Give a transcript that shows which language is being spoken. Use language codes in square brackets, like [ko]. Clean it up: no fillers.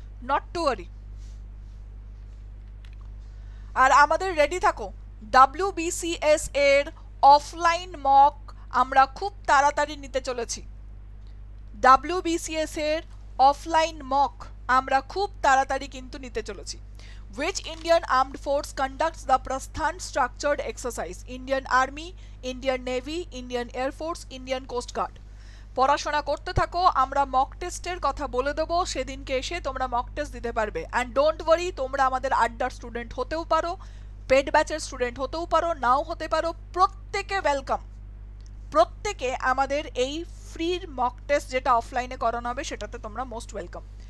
[en] not to worry, [bn] আর আমাদের ready থাকো, WBCS এর অফলাইন মক আমরা খুব তাড়াতাড়ি নিতে চলেছি। WBCS এর অফলাইন মক আমরা খুব তাড়াতাড়ি কিন্তু নিতে চলেছি। [en] Which Indian Armed Force conducts the Prasthan Structured Exercise? Indian Army, Indian Navy, Indian Air Force, Indian Coast Guard. [bn] পড়াশোনা করতে থাকো, আমরা মক টেস্টের কথা বলে দেবো, সেদিনকে এসে তোমরা মক টেস্ট দিতে পারবে। [en] and don't worry, [bn] তোমরা আমাদের আড্ডার স্টুডেন্ট হতেও পারো, পেড ব্যাচের স্টুডেন্ট হতেও পারো, নাও হতে পারো, প্রত্যেকে ওয়েলকাম। প্রত্যেকে আমাদের এই ফ্রির মক টেস্ট যেটা অফলাইনে করানো হবে সেটাতে তোমরা মোস্ট ওয়েলকাম।